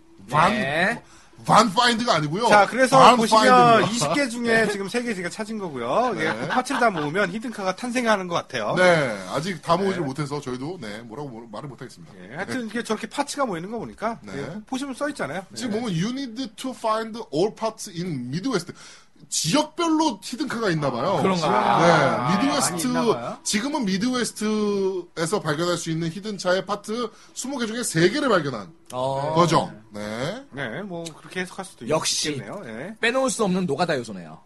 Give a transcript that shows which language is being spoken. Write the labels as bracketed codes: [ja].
[ko] 반. 네. 반 파인드가 아니고요. 자, 그래서 보시면 20개 중에 네. 지금 3개 제가 찾은 거고요. 네. 그 파츠를 다 모으면 히든카가 탄생하는 것 같아요. 네. 아직 다 모으지 네. 못해서 저희도 네, 뭐라고 말을 못하겠습니다. 네. 하여튼 이렇게 저렇게 파츠가 모이는 거 보니까 네. 네. 보시면 써 있잖아요. 지금 네. 보면 [en] You need to find all parts in Midwest. [ko] 지역별로 히든카가 있나 봐요. 그런가? 네. 미드웨스트, 지금은 미드웨스트에서 발견할 수 있는 히든차의 파트 20개 중에 3개를 발견한 거죠. 네. 네, 뭐, 그렇게 해석할 수도 있겠네요. 역시. 네. 빼놓을 수 없는 노가다 요소네요.